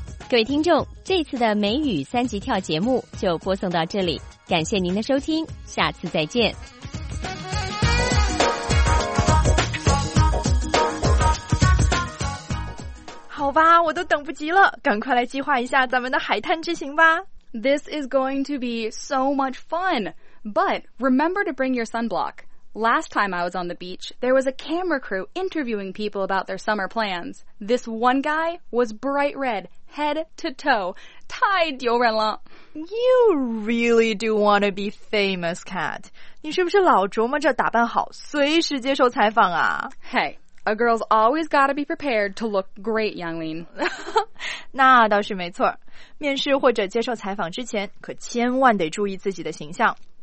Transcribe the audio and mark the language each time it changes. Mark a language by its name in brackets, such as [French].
[Chinese] 各位听众，这次的美语三级跳节目就播送到这里，感谢您的收听，下次再见。好吧，我都等不及了，赶快来计划一下咱们的海滩之行吧。 [English] This is going to be so much fun. But remember to bring your sunblock. Last time I was on the beach, there was a camera crew interviewing people about their summer plans. This one guy was bright red, head to toe. [Chinese] 太丢人了。 [English] You really do want to be famous, Kat. [Chinese] 你是不是老琢磨着打扮好，随时接受采访啊？ [English] Hey. A girl's always got to be prepared to look great, Yanglin. [Chinese] 那倒是没错。面试或者接受采访之前，可千万得注意自己的形象。